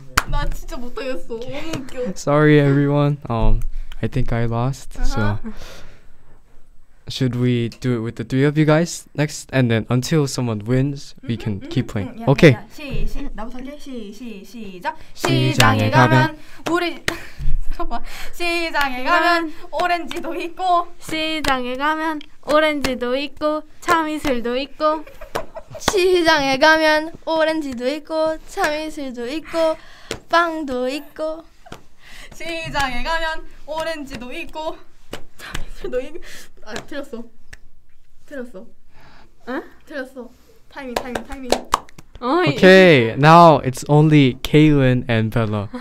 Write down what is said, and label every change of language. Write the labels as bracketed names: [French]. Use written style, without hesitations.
[Korean] 나 진짜 못하겠어 너무 웃겨 [English] Sorry everyone, I think I lost, so Should we do it with the three of you guys next? And then until someone wins, we can keep playing. Yeah, okay. [Korean] 시장에 가면 우리 시장에 가면 오렌지도 있고 시장에 가면 오렌지도 있고 참이슬도 있고 시장에 가면 오렌지도 있고 참이슬도 있고 빵도 있고 시장에 가면 오렌지도 있고 참이슬도 있고 아, 틀렸어. 틀렸어. 응? 틀렸어. 타이밍. 어이. [English] Okay, now it's only Kaylin and Bella.